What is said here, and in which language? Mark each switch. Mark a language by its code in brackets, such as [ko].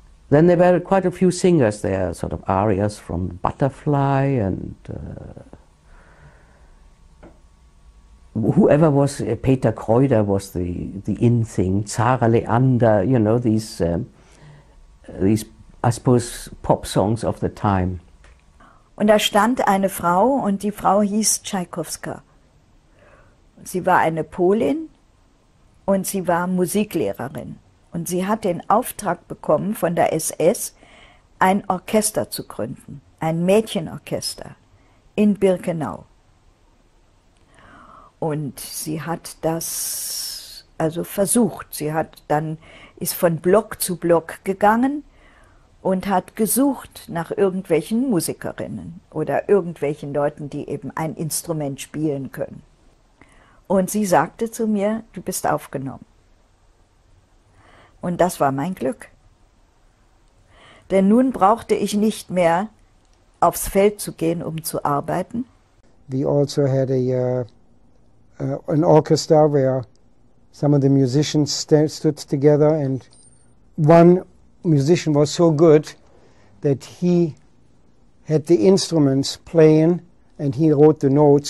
[en] Then there were quite a few singers there, sort of arias from Butterfly and whoever was, Peter Kreuder was the in thing, Zara Leander, you know, these, I suppose, pop songs of the time. [de] Und da stand eine Frau und die Frau hieß Tschaikowska. Sie war eine Polin und sie war Musiklehrerin. Und sie hat den Auftrag bekommen von der SS, ein Orchester zu gründen, ein Mädchenorchester in Birkenau. Und sie hat das also versucht. Sie hat dann, ist von Block zu Block gegangen und hat gesucht nach irgendwelchen Musikerinnen oder irgendwelchen Leuten, die eben ein Instrument spielen können. Und sie sagte zu mir, du bist aufgenommen. Und das war mein Glück. Denn nun brauchte ich nicht mehr aufs Feld zu gehen, um zu arbeiten. [en] We also had an orchestra where some of the musicians stood together, and one musician was so good that he had the instruments playing and he wrote the notes.